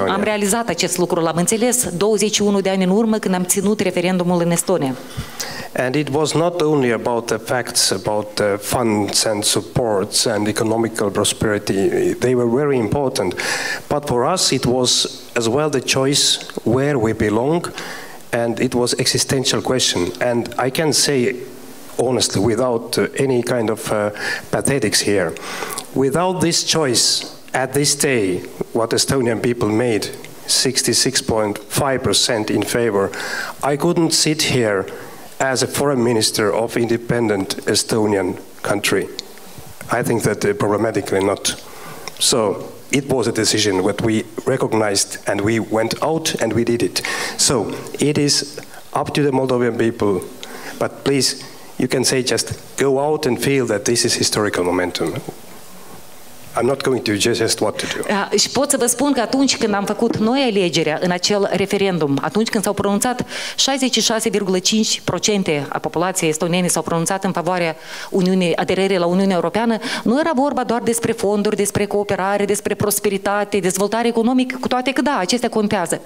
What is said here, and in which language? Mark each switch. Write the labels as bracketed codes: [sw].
[ro] Noi am realizat acest lucru, l-am înțeles 21 de ani în urmă când am ținut referendumul în Estonia. [en] And it was not only about the facts about the funds and supports and economical prosperity. They were very important. But for us it was as well the choice where we belong, and it was existential question. And I can say honestly, without any kind of pathetics here, without this choice at this day, what Estonian people made, 66.5% in favor, I couldn't sit here as a foreign minister of independent Estonian country. I think that problematically not. So it was a decision that we recognized and we went out and we did it. So it is up to the Moldovan people, but please, you can say just go out and feel that this is historical momentum. I'm not going to suggest what to do. [ro] Și pot să vă spun că atunci când am făcut noi alegerea în acel referendum, atunci când s-au pronunțat 66,5% a populației estoniene s-au pronunțat în favoarea aderării la Uniunea Europeană, nu era vorba doar despre fonduri, despre cooperare, despre prosperitate, dezvoltare economică, cu toate că da, acestea contează.